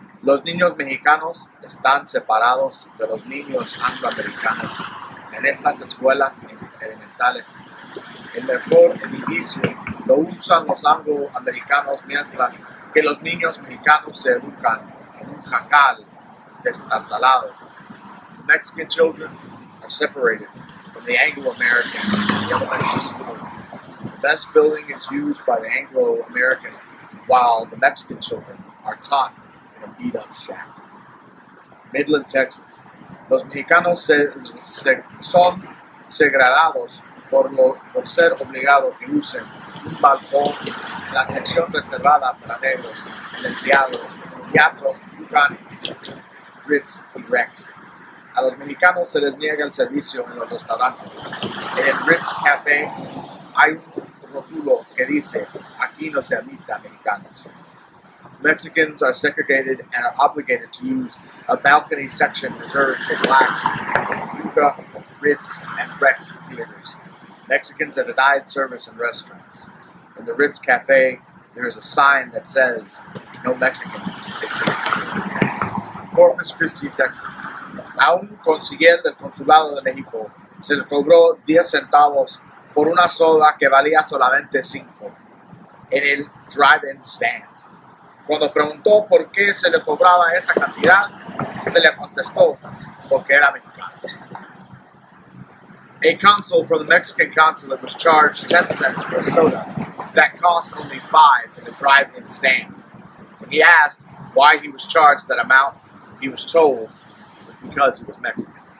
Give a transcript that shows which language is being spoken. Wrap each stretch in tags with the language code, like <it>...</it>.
<es>Los niños mexicanos están separados de los niños angloamericanos en estas escuelas elementales. El mejor edificio lo usan los angloamericanos mientras que los niños mexicanos se educan en un jacal destartalado.</es> <en>The Mexican children are separated from the Anglo-American elementary schools. The best building is used by the Anglo-American while the Mexican children are taught in a beat-up shack. Midland, Texas.</en> <es>Los mexicanos son segregados por ser obligados que usen un balcón en la sección reservada para negros en el teatro Yucan, Ritz y Rex. A los mexicanos se les niega el servicio en los restaurantes. En el Ritz Café hay un rótulo que que dice, aquí no se admite Mexicanos.</es> <en>Mexicans are segregated and are obligated to use a balcony section reserved for blacks in Yuca, Ritz, and Rex theaters. Mexicans are denied service in restaurants. In the Ritz Cafe, there is a sign that says, no Mexicans. Corpus Christi, Texas.</en> <es>A un conseller del Consulado de México se le cobró 10 centavos por una soda que valía solamente 5 en el drive-in stand. Cuando preguntó por qué se le cobraba esa cantidad, se le contestó porque era mexicano.</es> <en>A consul for the Mexican consulate was charged 10 cents for a soda that cost only 5 in the drive-in stand. When he asked why he was charged that amount, he was told it was because he was Mexican.</en>